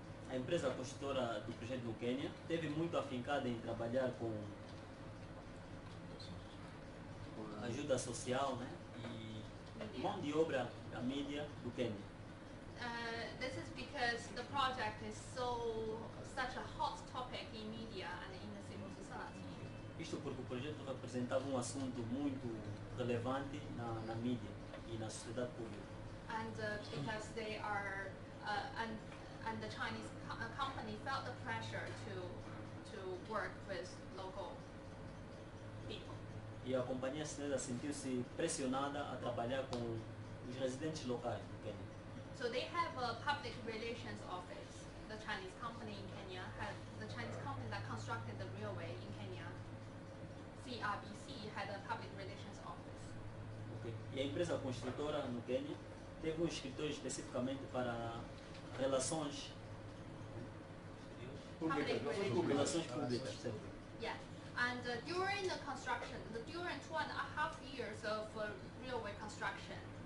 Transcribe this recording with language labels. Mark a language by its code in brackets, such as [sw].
[pt] A empresa construtora do projeto no Quênia teve muito afincada em trabalhar com ajuda social, né, e mão de obra da mídia do Quênia. [en] This is because the project is such a hot topic in media and in the civil society. [pt] Isto porque o projeto representava um assunto muito relevante na mídia e na sociedade pública. [en] And because they are and the Chinese company felt the pressure to work with local people. [pt] E a companhia chinesa sentiu-se pressionada a trabalhar com os residentes locais do Quênia. [en] So they have a public relations office. the Chinese company in Kenya, had the Chinese company that constructed the railway in Kenya, CRBC, had a public relations office. [pt] Okay. E a empresa construtora no Quênia teve um escritório especificamente para relações públicas. [en] Yeah. And during the construction, during 2.5 years of railway construction,